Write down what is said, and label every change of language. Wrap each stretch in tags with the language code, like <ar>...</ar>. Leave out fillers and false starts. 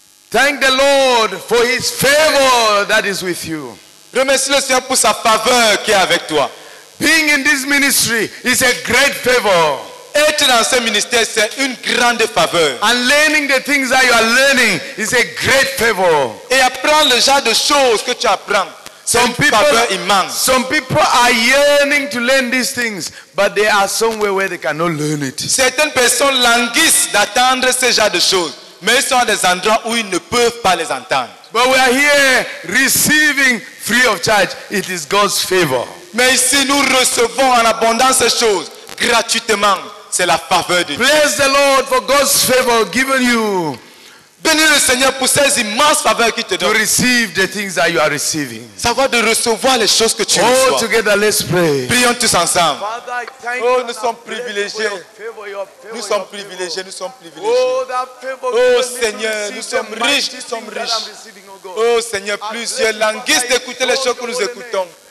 <en>Thank the Lord for his favor that is with you.</en> <fr>Remercie le Seigneur pour sa faveur qui est avec toi.</fr> <en>Being in this ministry is a great favor.</en> <fr>Être dans ce ministère, c'est une grande faveur.</fr> <en>And learning the things that you are learning is a great favor.</en> <fr>Et apprendre le genre de choses que tu apprends.</fr> <en>Some people are yearning to learn these things, but they are somewhere where they cannot learn it.</en> <fr>Certaines personnes languissent d'attendre ce genre de choses, mais ils sont à des endroits où ils ne peuvent pas les entendre.</fr> <en>But we are here receiving free of charge. It is God's favor.</en> <fr>Mais ici nous recevons en abondance ces choses gratuitement. C'est la faveur de Dieu.</fr> <en>Bless the Lord for God's favor given you.</en> <fr>Bénis le Seigneur pour ces immenses faveurs qu'il te donne.</fr> <en>To receive the things that you are receiving.</en> <fr>Savoir de recevoir les choses que tu reçois.</fr> <en>All together, let's pray.</en> <fr>Prions tous ensemble.</fr> <en>Father,</en> <fr>oh, nous sommes privilégiés. Nous sommes privilégiés, nous sommes privilégiés.</fr> <en>Oh, that favor,</en> <fr>oh Seigneur, nous sommes riches, nous sommes riches. Oh Seigneur, plusieurs languissent d'écouter les choses que nous écoutons.</fr>